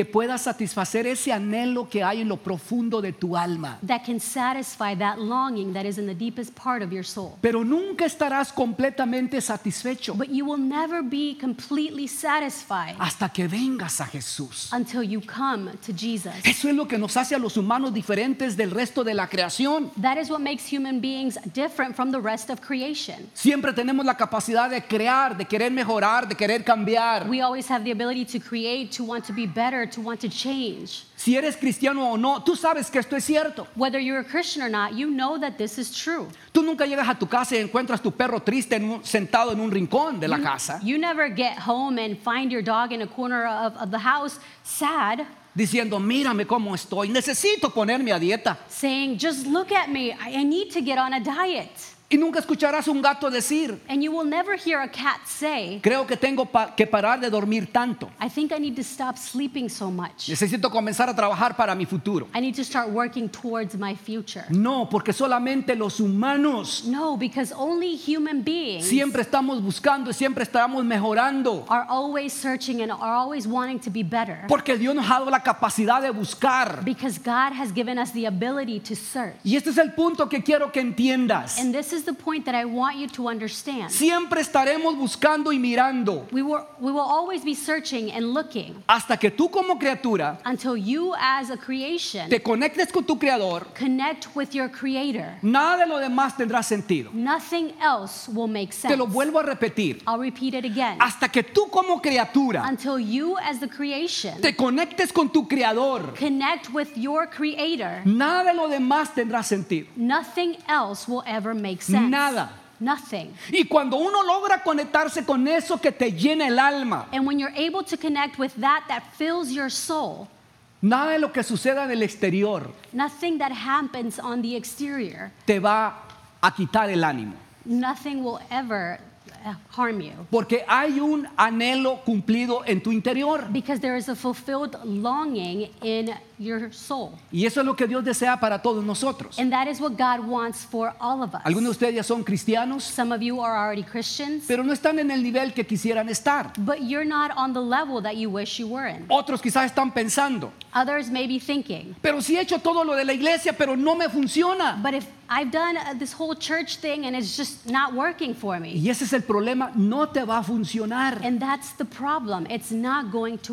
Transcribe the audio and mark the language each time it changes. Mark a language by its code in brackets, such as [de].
[es] Que pueda satisfacer ese anhelo que hay en lo profundo de tu alma. [en] That can satisfy that longing that is in the deepest part of your soul. [es] Pero nunca estarás completamente satisfecho. [en] But you will never be completely satisfied. [es] Hasta que vengas a Jesús. [en] Until you come to Jesus. [es] Eso es lo que nos hace a los humanos diferentes del resto de la creación. [en] That is what makes human beings different from the rest of creation. [es] Siempre tenemos la capacidad de crear, de querer mejorar, de querer cambiar. [en] We always have the ability to create, to want to be better, to want to change. [es] Si eres cristiano o no, tú sabes que esto es cierto. [en] Whether you're a Christian or not, you know that this is true. [es] Tú nunca llegas a tu casa y encuentras tu perro triste sentado en un rincón de la casa. [en] You never get home and find your dog in a corner of the house sad. [es] Diciendo, mírame cómo estoy, necesito ponerme a dieta. [en] Saying, just look at me, I need to get on a diet. [es] Y nunca escucharás un gato decir, [en] and you will never hear a cat say, [es] creo que tengo que parar de dormir tanto. [en] I think I need to stop sleeping so much. [es] Necesito comenzar a trabajar para mi futuro. [en] I need to start working towards my future. [es] No, porque solamente los humanos, [en] no, because only human beings, [es] siempre estamos buscando y siempre estamos mejorando, [en] are always searching and are always wanting to be better. [es] Porque Dios nos ha dado la capacidad de buscar. [en] Because God has given us the ability to search. [es] Y este es el punto que quiero que entiendas. [en] And this is the point that I want you to understand. [es] Siempre estaremos buscando y mirando. [en] We will always be searching and looking. [es] Hasta que tú como criatura, [en] until you as a creation, [es] te conectes con tu creador, [en] connect with your creator. [es] Nada de lo demás tendrá sentido. [en] Nothing else will make sense. [es] Te lo vuelvo a repetir. [en] I'll repeat it again. [es] Hasta que tú como criatura, [en] until you as the creation, [es] te conectes con tu creador, [en] connect with your creator. [es] Nada de lo demás tendrá sentido. [en] Nothing else will ever make sense. [es] Nada. [en] Nothing. [es] Y cuando uno logra conectarse con eso que te llena el alma, [en] and when you're able to connect with that that fills your soul, [es] nada de lo que suceda en el exterior, [en] nothing that happens on the exterior, [es] te va a quitar el ánimo. [en] Nothing will ever harm you. [es] Porque hay un anhelo cumplido en tu interior. [en] Because there is a fulfilled longing in your soul. [es] Y eso es lo que Dios desea para todos nosotros. [en] And that is what God wants for all of us. [es] Algunos de ustedes ya son cristianos. [en] Some of you are already Christians. [es] Pero no están en el nivel que quisieran estar. [en] But you're not on the level that you wish you were in. [es] Otros quizás están pensando. [en] Others may be thinking. [es] Pero si he hecho todo lo de la iglesia, pero no me funciona. [en] But if I've done this whole church thing and it's just not working for me. [es] Y ese es el problema, no te va a funcionar. [en] And that's the problem, it's not going to